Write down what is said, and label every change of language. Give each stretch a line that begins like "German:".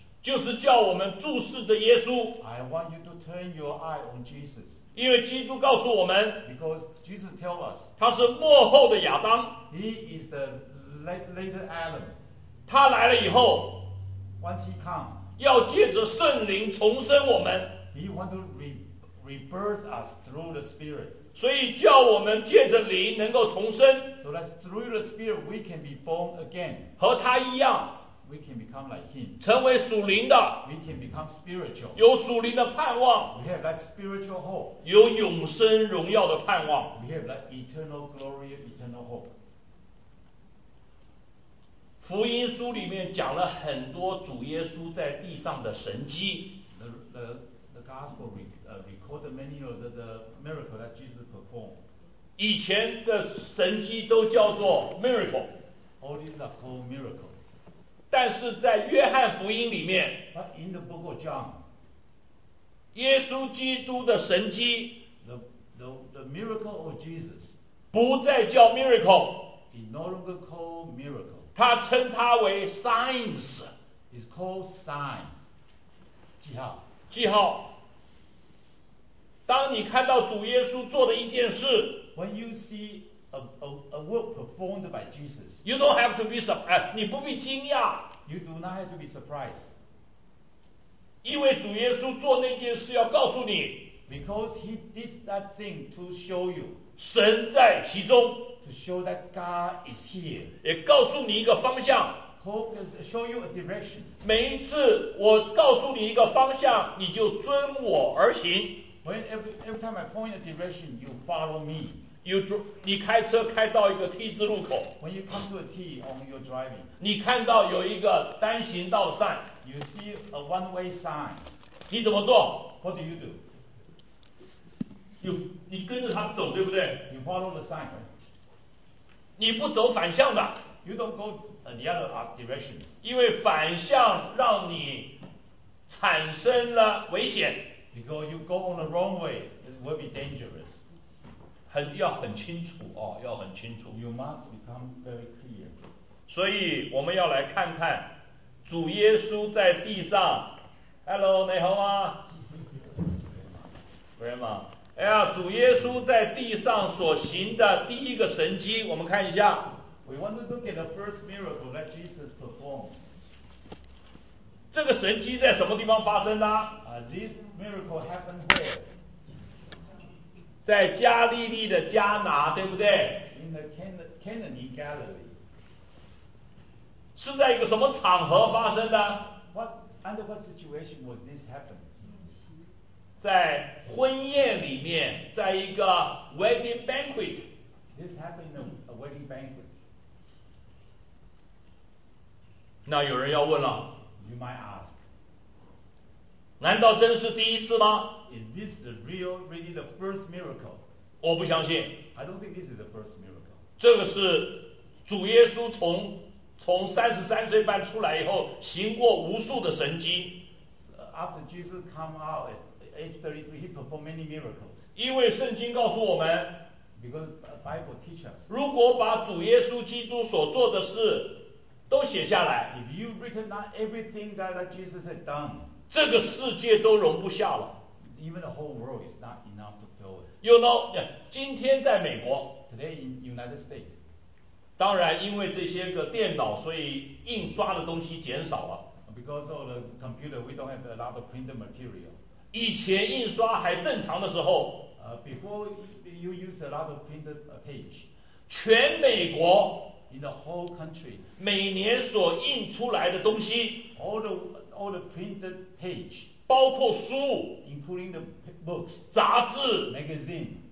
Chinese: 就是叫我们注视着耶稣
English: I want you to turn your eye on Jesus
Chinese: 因为基督告诉我们
English: Because Jesus tells us
Chinese: 他是末后的亚当
English: He is the later Adam
Chinese: 他来了以后
English: Once he come
Chinese: 要借着圣灵重生我们
English: He want to rebirth us through the Spirit
Chinese: 所以叫我们借着灵能够重生
English: So that through the Spirit we can be born again
Chinese: 和他一样
English: We can become like him.
Chinese: 成为属灵的
English: We can become spiritual.
Chinese: 有属灵的盼望
English: We have that spiritual hope.
Chinese: 有永生荣耀的盼望
English: We have that eternal glory, eternal hope.
Chinese: 福音书里面讲了很多主耶稣在地上的神迹
English: The gospel recorded many of the miracles that Jesus performed.
Chinese: 以前的神迹都叫做 miracle.
English: All these are called miracles.
Chinese: 但是在约翰福音里面
English: But in the book of John
Chinese: 耶稣基督的神迹
English: the miracle of Jesus
Chinese: 不再叫 miracle
English: He no longer called miracle
Chinese: 他称它为 signs
English: It's called signs 记号
Chinese: 记号当你看到主耶稣做的一件事
English: When you seeA work performed by Jesus. You don't have to be surprised.
Chinese: 你不必惊讶。
English: You do not have to be surprised.
Chinese: 因为主耶稣做那件事要告诉你。
English: Because he did that thing to show you.
Chinese: 神在其中。
English: To show that God is here.
Chinese: 也告诉你一个方向。
English: Show you a direction.
Chinese: 每一次我告诉你一个方向，你就遵我而行。
English: When every time I point a direction, you follow me.
Chinese: 你开车开到一个 T 字路口
English: When you come to a T on your driving
Chinese: 你看到有一个单行道 sign
English: You see a one way sign
Chinese: 你怎么做
English: What do you do
Chinese: 你跟着他走对不对
English: You follow the sign
Chinese: 你不走反向的
English: You don't go the other directions
Chinese: 因为反向让你产生了危险
English: Because you go on the wrong way It will be dangerous
Chinese: 要很清楚哦，要很清楚。
English: You must become very clear.
Chinese: 所以我们要来看看主耶稣在地上。 Hello， 你好吗 ？Grandma， 哎呀，主耶稣在地上所行的第一个神迹，我们看一下。
English: We want to look at the first miracle that Jesus performed.
Chinese: 这个神迹在什么地方发生的
English: ？This miracle happened here.
Chinese: 在加利利的迦拿，对不对
English: ？In the Canaan in Galilee，
Chinese: 是在一个什么场合发生的
English: ？What under what situation was this happen？
Chinese: 在婚宴里面，在一个 wedding banquet。
English: This happened in a wedding banquet。
Chinese: 那有人要问了
English: ，You might ask，
Chinese: 难道真是第一次吗？
English: Is this the real, really the first miracle?
Chinese: 我不相信。
English: I don't think this is the first miracle.
Chinese: 这个是主耶稣从33岁半出来以后，行过无数的神迹。
English: After Jesus come out at age 33, he performed many miracles.
Chinese: 因为圣经告诉我们
English: ，Because Bible teaches us.
Chinese: 如果把主耶稣基督所做的事都写下来
English: ，If you written down everything that Jesus had done,
Chinese: 这个世界都容不下了。
English: Even the whole world is not enough to fill it. You know, yeah,
Chinese: 今天在美国
English: Today in United States.
Chinese: 当然因为这些个电脑所以印刷的东西减少了
English: Because of the computer, we don't have a lot of printed material.
Chinese: 以前印刷还正常的时候
English: Before you use a lot of printed page.
Chinese: 全美国
English: In the whole country.
Chinese: 每年所印出来的东西
English: All the printed page.
Chinese: 包括书
English: including the books,
Chinese: 杂志
English: magazine,